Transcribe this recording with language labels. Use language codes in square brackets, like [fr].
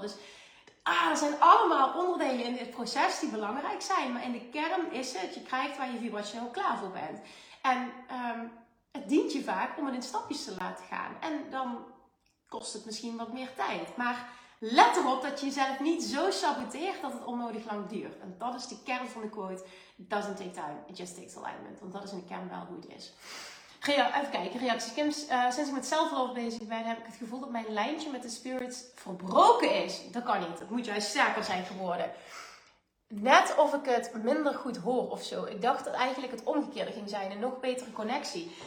[nl] Dus er zijn allemaal onderdelen in dit proces die belangrijk zijn. Maar in de kern is het, je krijgt waar je vibrationeel klaar voor bent. En het dient je vaak om het in stapjes te laten gaan. En dan kost het misschien wat meer tijd. Maar let erop dat je jezelf niet zo saboteert dat het onnodig lang duurt. En dat is de kern van de quote. [en] It doesn't take time, it just takes alignment. [nl] Want dat is in de kern wel hoe het is. Even kijken, reactie. Kim, sinds ik met self-love bezig ben, heb ik het gevoel dat mijn lijntje met de spirits verbroken is. Dat kan niet, het moet juist sterker zijn geworden. Net of ik het minder goed hoor of zo. Ik dacht dat eigenlijk het omgekeerde ging zijn, een nog betere connectie.